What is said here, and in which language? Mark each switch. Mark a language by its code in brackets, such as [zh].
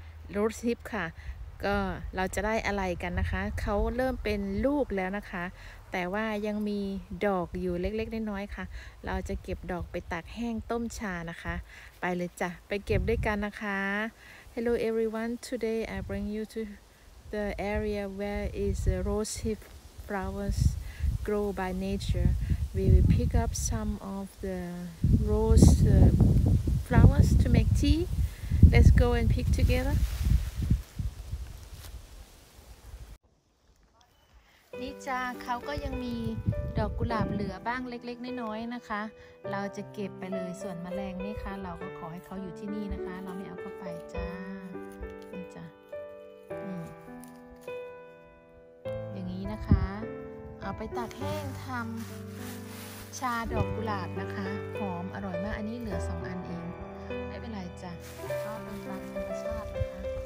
[th] โรดทริปค่ะก็เราจะได้อะไรกันนะคะเขาเริ่มเป็นลูกแล้วนะคะแต่ว่ายังมีดอกอยู่เล็กๆน้อยๆค่ะเราจะเก็บดอกไปตากแห้งต้มชานะคะไปเลยจ้ะไปเก็บด้วยกันนะคะ [en] Hello everyone today I bring you to the area where is the rose hip flowersGrow by nature. We will pick up some of the rose flowers to make tea. Let's go and pick together. [th] นี่จ้าเขาก็ยังมีดอกกุหลาบเหลือบ้างเล็กๆน้อยๆนะคะเราจะเก็บไปเลยส่วนแมลงนี่ค่ะเราก็ขอให้เขาอยู่ที่นี่นะคะเราไม่เอาเขาไปจ้านี่จ้าอย่างนี้นะคะเอาไปตากแห้งทำชาดอกกุหลาบนะคะหอมอร่อยมากอันนี้เหลือ2อันเองไม่เป็นไรจ้ะก็เป็นรักธรรมชาตินะคะ